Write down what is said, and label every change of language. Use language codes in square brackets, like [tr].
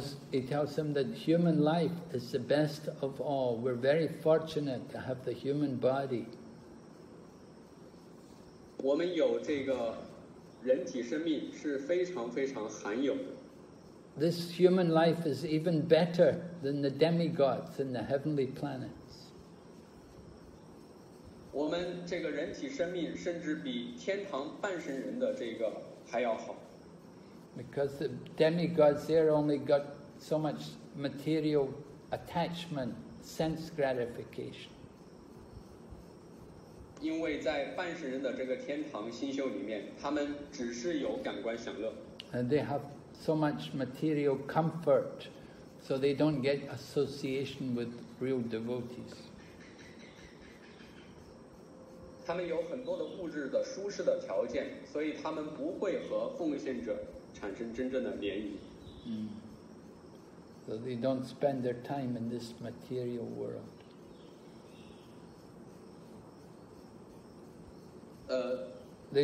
[en] He tells them that human life is the best of all. We're very fortunate to have the human body. [zh] 我们有这个人体生命是非常非常罕有的。 [en] This human life is even better than the demigods in the heavenly planets. [zh] 我们这个人体生命甚至比天堂半神人的这个还要好。 [en] Because the demigods there only got so much material attachment, sense gratification. [zh] 因为在半神人的这个天堂星宿里面，他们只是有感官享乐。 [en] And they have. So much material comfort, so they don't get association with real devotees. [zh] 他们有很多的物质的舒适的条件，所以他们不会和奉献者产生真正的联谊。 [en] So they don't spend their time in this material world.